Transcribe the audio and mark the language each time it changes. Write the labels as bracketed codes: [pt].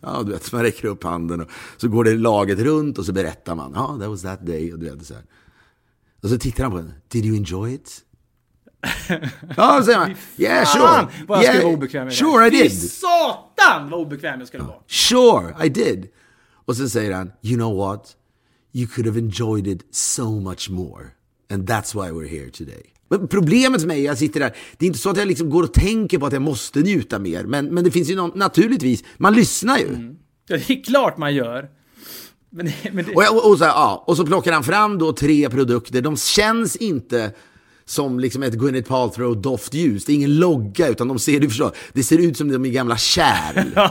[sv] Ja, du vet, man räcker upp handen och så går det laget runt och så berättar man, ja, [en] that was that day, [sv] och du vet, så här. Och så tittar han på den, [en] did you enjoy it? [sv] Ja, så säger man, [en] yeah, sure. [sv] Vad jag skulle vara obekväm [en] i. Sure, I did. [sv] Fy satan, vad obekväm jag skulle vara. [en] Sure, I did. [sv] Och så säger han, [en] you know what? You could have enjoyed it so much more. And that's why we're here today. [sv] Men problemet med mig, jag sitter där, det är inte så att jag liksom går och tänker på att jag måste njuta mer, men det finns ju någon, naturligtvis, man lyssnar ju. Ja, det är klart man gör. Men det... och så plockar han fram då tre produkter. De känns inte som liksom ett Gwyneth Paltrow doftljus. Det är ingen logga, utan de ser, du förstår, det ser ut som de gamla kärl.